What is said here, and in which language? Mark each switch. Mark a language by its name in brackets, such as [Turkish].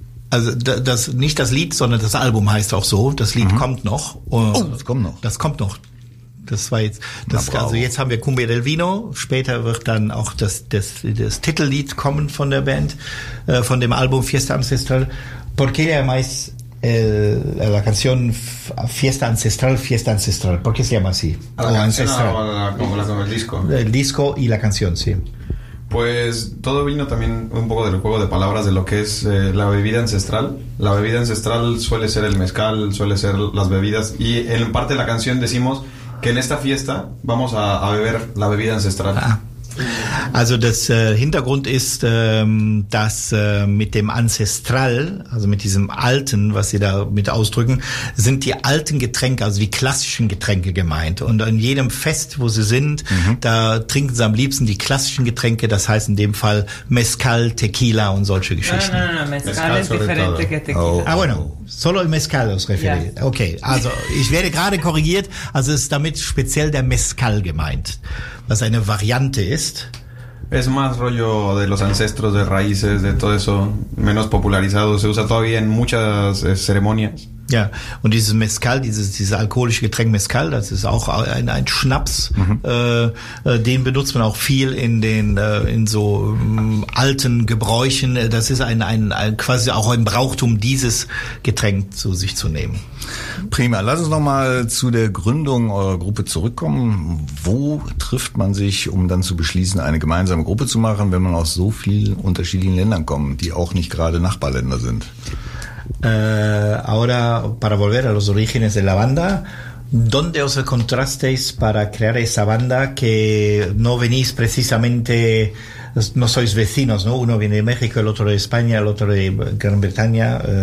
[German] Also das nicht das Lied, sondern das Album heißt auch so, das Lied kommt noch. Oh, das kommt noch. Das kommt noch. Das war jetzt, das, also jetzt haben wir Cumbia del Vino, später wird dann auch das Titellied kommen von der Band, von dem Album Fiesta Ancestral. [Spanish] ¿Por qué llamáis la canción Fiesta Ancestral? ¿Por qué se llama así? ¿La canción o el disco? El disco y la canción, sí. Pues todo vino también un poco del juego de palabras de lo que es la bebida ancestral. La bebida ancestral suele ser el mezcal, suele ser las bebidas. Y en parte de la canción decimos que en esta fiesta vamos a beber la bebida ancestral. Ah. [German] Also das Hintergrund ist, dass mit dem Ancestral, also mit diesem Alten, was Sie da mit ausdrücken, sind die alten Getränke, also die klassischen Getränke gemeint. Und an jedem Fest, wo Sie sind, da trinken Sie am liebsten die klassischen Getränke, das heißt in dem Fall Mezcal, Tequila und solche Geschichten. [Spanish] Mezcal ist differente que Tequila. Ah, bueno, solo el Mezcal os referí. [English] Yeah. [German] Okay, also ich werde gerade korrigiert, also ist damit speziell der Mezcal gemeint. Was eine Variante ist. [Spanish] Es más rollo de los ancestros, de raíces, de todo eso, menos popularizado. Se usa todavía en muchas ceremonias. [German] Ja, und dieses Mezcal, dieses alkoholische Getränk Mezcal, das ist auch ein Schnaps, den benutzt man auch viel in den in so alten Gebräuchen. Das ist ein quasi auch ein Brauchtum, dieses Getränk zu sich zu nehmen. Prima, lass uns nochmal zu der Gründung eurer Gruppe zurückkommen. Wo trifft man sich, um dann zu beschließen, eine gemeinsame Gruppe zu machen, wenn man aus so vielen unterschiedlichen Ländern kommt, die auch nicht gerade Nachbarländer sind? [Spanish] Ahora, para volver a los orígenes de la banda, ¿dónde os encontrasteis para crear esa banda que no venís precisamente, no sois vecinos, ¿no? Uno viene de México, el otro de España, el otro de Gran Bretaña.